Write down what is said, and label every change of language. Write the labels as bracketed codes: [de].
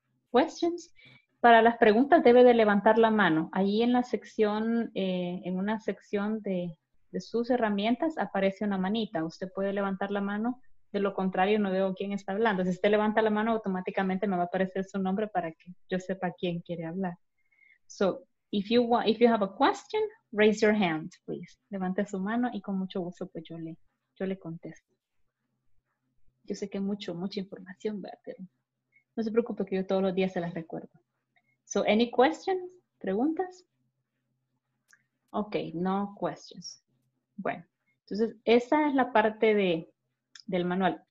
[en] ¿Questions? [es] Para las preguntas debe de levantar la mano. Ahí en la sección, en una sección de sus herramientas aparece una manita. Usted puede levantar la mano. De lo contrario, no veo quién está hablando. Si usted levanta la mano, automáticamente me va a aparecer su nombre para que yo sepa quién quiere hablar. [en] So, if you have a question, raise your hand, please. [es] Levante su mano y con mucho gusto pues yo le contesto. Yo sé que mucha información, ¿verdad? Pero no se preocupe que yo todos los días se las recuerdo. [en] So, any questions? [es] ¿Preguntas? [en] Ok, no questions. [es] Bueno, entonces, esa es la parte del manual.